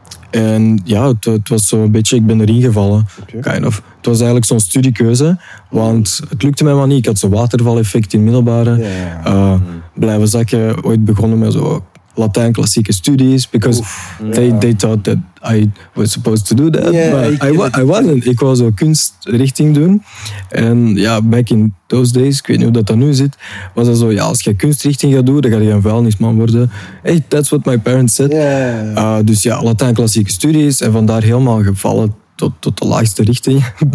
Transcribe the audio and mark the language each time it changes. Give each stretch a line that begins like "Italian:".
Dutch: En ja, het was zo een beetje, ik ben erin gevallen.
English: Okay. Kind of.
Dutch: Het was eigenlijk zo'n studiekeuze, want het lukte mij maar niet. Ik had zo'n watervaleffect in middelbare.
English: Yeah.
Dutch: Blijven zakken, ooit begonnen met zo'n Latijn klassieke studies.
English: Because they thought that I was supposed to do that. Yeah, but I wasn't.
Dutch: Ik wou zo'n kunstrichting doen. En ja,
English: back in those days,
Dutch: ik weet niet hoe dat nu zit, was dat zo, ja, als je kunstrichting gaat doen, dan ga je een vuilnisman worden.
English: Hey, that's what my parents said. Yeah.
Dutch: Dus ja, Latijn klassieke studies. En vandaar helemaal gevallen tot de laagste richting.